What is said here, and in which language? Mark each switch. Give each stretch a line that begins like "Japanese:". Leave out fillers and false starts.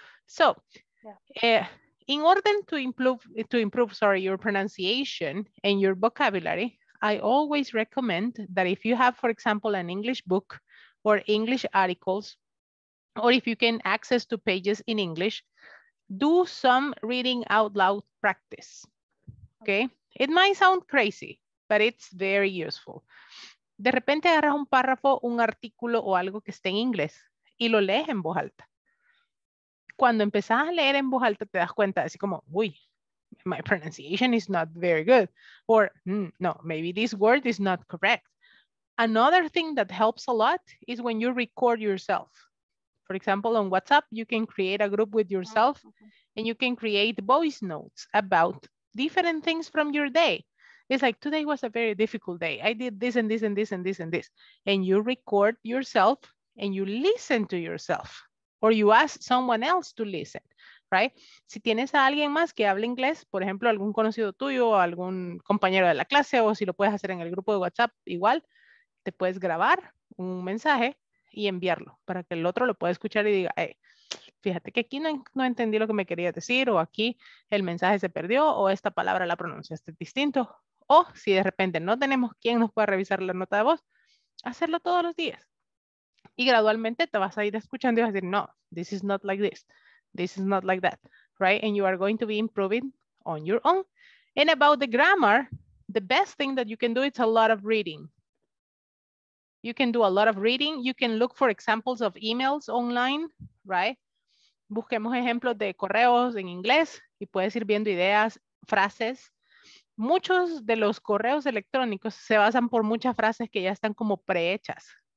English: So in order to improve your pronunciation and your vocabulary, I always recommend that if you have, for example, an English book or English articles, or if you can access to pages in English, do some reading out loud practice, okay? It might sound crazy, but it's very useful.
Spanish: De repente agarras un párrafo, un artículo o algo que esté en inglés y lo lees en voz alta. cuando empezás a leer en voz alta te das cuenta, así como, uy,
English: my pronunciation is not very good, or no, maybe this word is not correct. Another thing that helps a lot is when you record yourself. For example, on WhatsApp, you can create a group with yourself and you can create voice notes about different things from your day. It's like, today was a very difficult day. I did this and this and this and this and this. And you record yourself and you listen to yourself, or you ask someone else to listen, right?
Spanish: Si tienes a alguien más que habla inglés, por ejemplo, algún conocido tuyo o algún compañero de la clase, o si lo puedes hacer en el grupo de WhatsApp, igual, te puedes grabar un mensaje y enviarlo para que el otro lo pueda escuchar y diga, hey, fíjate que aquí no entendí lo que me querías decir, o aquí el mensaje se perdió, o esta palabra la pronunciaste distinto. O si de repente no tenemos quien nos pueda revisar la nota de voz, hacerlo todos los días. Y gradualmente te vas a ir escuchando y vas a decir, no,
English: this is not like this, this is not like that,
Spanish: right?
English: And you are going to be improving on your own. And about the grammar, the best thing that you can do is a lot of reading. You can do a lot of reading. You can look for examples of emails online, right?
Spanish: Busquemos ejemplos de correos en inglés y puedes ir viendo ideas, frases. Muchos de los correos electrónicos se basan por muchas frases que ya están como prehechas.